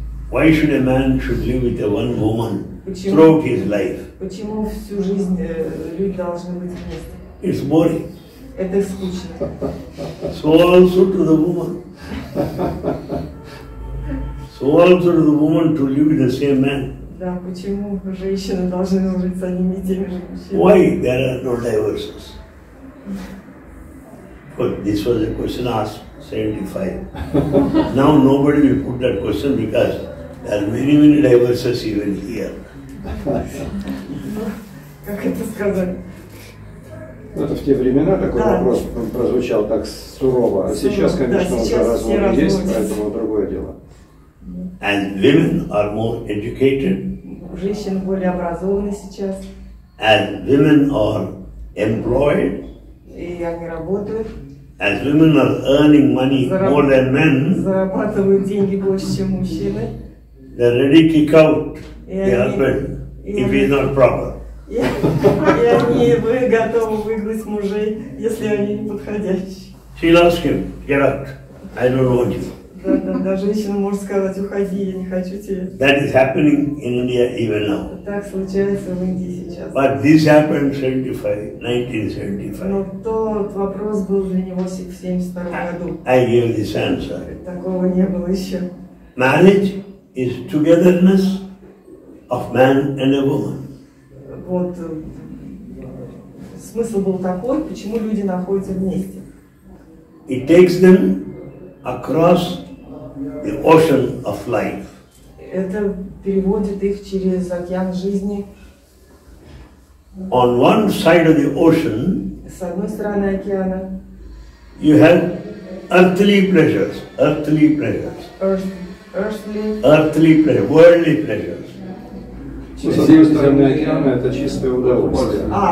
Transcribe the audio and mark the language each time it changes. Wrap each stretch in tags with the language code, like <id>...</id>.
<en>Why should a man should live with a one woman throughout his life?</en> <ru>Почему всю жизнь люди должны быть вместе?</ru> <en>It's boring.</en> <ru>Это скучно.</ru> <en>So also to the woman. So also to the woman to live with the same man.</en> <ru>Да, почему женщины должны жить с одними и теми же мужчинами?</ru> <en>Why there are no divorces? But this was a question asked. 75. Now nobody will put that question because there are many, many divorces even here.</en> <ru>Как это сказать? Ну, это в те времена такой, да, вопрос прозвучал так сурово. А сейчас, конечно, да, уже разводы есть, поэтому другое дело.</ru> <en>And women are more educated.</en> <ru>Женщины более образованы сейчас.</ru> <en>And women are employed.</en> <ru>И они работают.</ru> <en>As women are earning money more than men,</en> <ru>зарабатывают деньги больше, чем мужчины,</ru> <en>they're ready to kick out the husband if he's not proper.</en> <ru>И они готовы выгнать мужей, если они не подходящие.</ru> <en>She'll ask him, get out, I don't want you.</en> <ru>Да, женщина может сказать, уходи, я не хочу тебя.</ru> <en>That is happening in India even now.</en> <ru>Так случается в Индии сейчас.</ru> <en>But this happened 1975.</en> <ru>Но тот вопрос был для него в 1972 году.</ru> <en>I gave this answer.</en> <ru>Такого не было еще.</ru> <en>Marriage is togetherness of man and a woman.</en> <ru>Вот смысл был такой, почему люди находятся вместе.</ru> <en>It takes them across the ocean of life.</en> <ru>Это переводит их через океан жизни.</ru> <en>On one side of the ocean,</en> <ru>с одной стороны океана,</ru> <en>you have earthly pleasures, earthly pleasures. Earthly pleasures, worldly pleasures.</en> <ru>С одной стороны океана это чистое удовольствие.</ru>